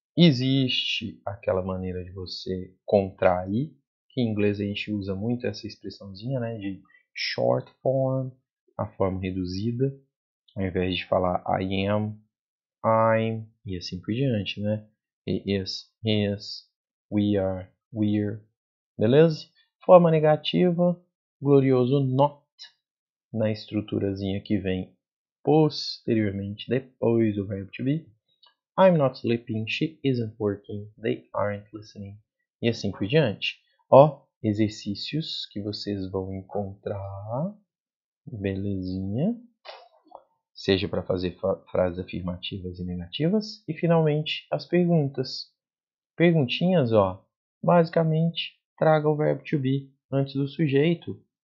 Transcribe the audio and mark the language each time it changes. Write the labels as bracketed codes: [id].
[pt] Existe aquela maneira de você contrair, que em inglês a gente usa muito essa expressãozinha, né, de short form, a forma reduzida, ao invés de falar [en] I am, I'm, [pt] e assim por diante, né? [en] He is, his, we are, we're. [pt] Beleza? Forma negativa, glorioso not, na estruturazinha que vem posteriormente, depois do verbo to be. [en] I'm not sleeping, she isn't working, they aren't listening. [pt] E assim por diante. Ó, exercícios que vocês vão encontrar. Belezinha. Seja para fazer frases afirmativas e negativas. E finalmente, as perguntas. Perguntinhas, ó. Basicamente, traga o verbo to be antes do sujeito.